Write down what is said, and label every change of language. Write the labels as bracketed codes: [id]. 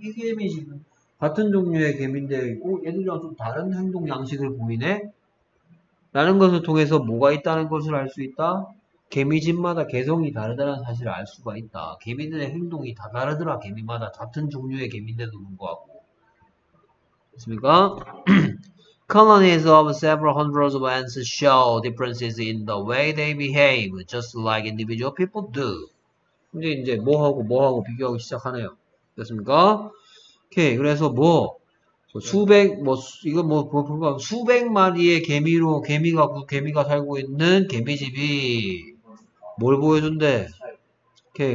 [ko] 이 개미 집은 같은 종류의 개미인데, 얘들이랑 좀 다른 행동 양식을 보이네? 라는 것을 통해서 뭐가 있다는 것을 알수 있다? 개미 집마다 개성이 다르다는 사실을 알 수가 있다. 개미들의 행동이 다 다르더라, 개미마다. 같은 종류의 개미인데도 불구하고. 됐습니까? [en] Colonies of several hundreds of ants show differences in the way they behave, just like individual people do. [ko] 이제 뭐하고 비교하고 시작하네요. 됐습니까? 오케이. 그래서 뭐 수백 뭐 이거 뭐 수백 마리의 개미가 살고 있는 개미집이 뭘 보여준대? 오케이.